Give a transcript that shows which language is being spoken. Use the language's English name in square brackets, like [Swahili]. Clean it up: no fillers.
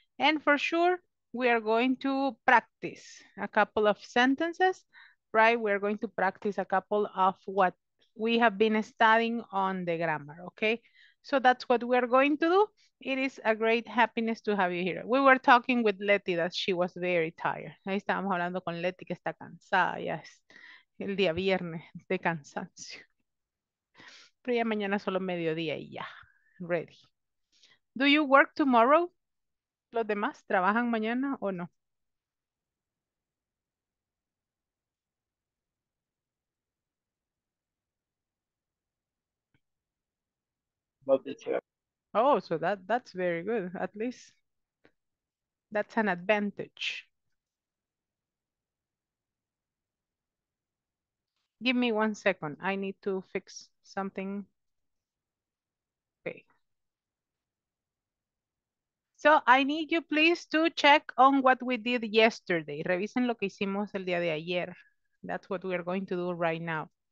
[English] And for sure, we are going to practice a couple of sentences, right? We are going to practice a couple of what we have been studying on the grammar, okay? So that's what we are going to do. It is a great happiness to have you here. We were talking with Leti that she was very tired. [Spanish] Ahí estábamos hablando con Leti que está cansada, ya es el día viernes de cansancio. Pero ya mañana solo mediodía y ya, ready. [English] Do you work tomorrow? [Spanish] ¿Los demás trabajan mañana o no? [English] Oh, so that's very good. At least that's an advantage. Give me one second. I need to fix something. So I need you please to check on what we did yesterday. [Spanish] Revisen lo que hicimos el día de ayer. [English] That's what we are going to do right now.